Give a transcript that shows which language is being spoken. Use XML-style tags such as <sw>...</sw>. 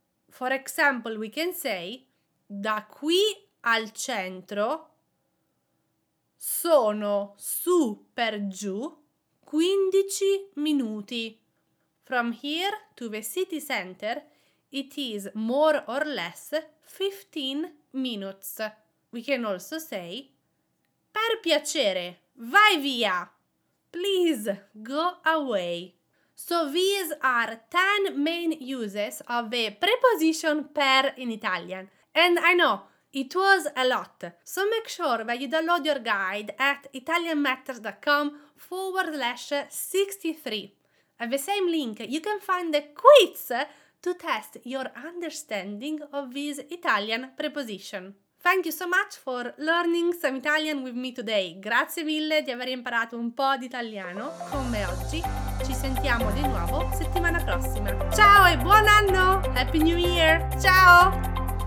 <en>For example, we can say</en> <it>da qui al centro sono su per giù 15 minuti.</it> <en>From here to the city center, it is more or less 15 minutes. We can also say</en> <it>per piacere, vai via.</it> <en>Please, go away. So these are 10 main uses of the preposition per in Italian. And I know, it was a lot. So make sure that you download your guide at italianmatters.com/63. At the same link, you can find the quiz to test your understanding of this Italian preposition. Thank you so much for learning some Italian with me today.</en> <it>Grazie mille di aver imparato un po' di italiano con me oggi. Ci sentiamo di nuovo settimana prossima. Ciao e buon anno!</it> <en>Happy New Year!</en> <it>Ciao!</it>